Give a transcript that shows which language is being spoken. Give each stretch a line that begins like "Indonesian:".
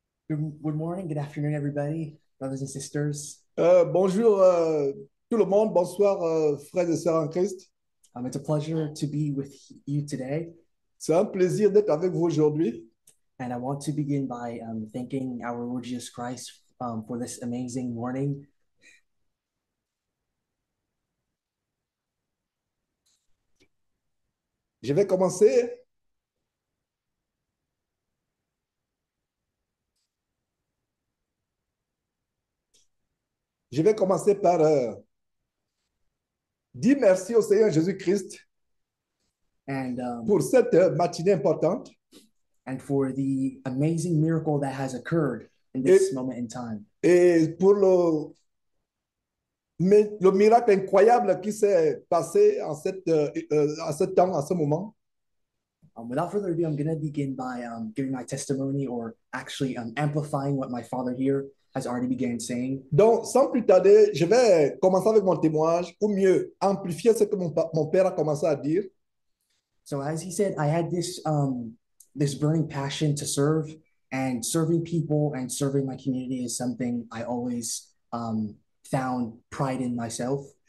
English: Good morning, good afternoon, everybody, brothers and sisters.
French: Bonjour, tout le monde. Bonsoir, frères et sœurs en Christ.
English: It's a pleasure to be with you today.
French: C'est un plaisir d'être avec vous aujourd'hui.
English: And I want to begin by thanking our Lord Jesus Christ for this amazing morning.
French: Je vais commencer. Je vais commencer par dire merci au Seigneur Jésus-Christ pour cette matinée importante.
English: And for the amazing miracle that has occurred in this moment in time.
French: Et pour le miracle incroyable qui s'est passé en ce temps, en ce moment.
English: Without further ado, I'm going to begin by giving my testimony or actually amplifying what my father here has already began saying.
French: Donc, sans plus tarder, je vais commencer avec mon témoignage, ou mieux, amplifier ce que mon père a commencé à dire.
English: So, as he said, I had this this burning passion to serve, and serving people and serving my community is something I always found pride in myself.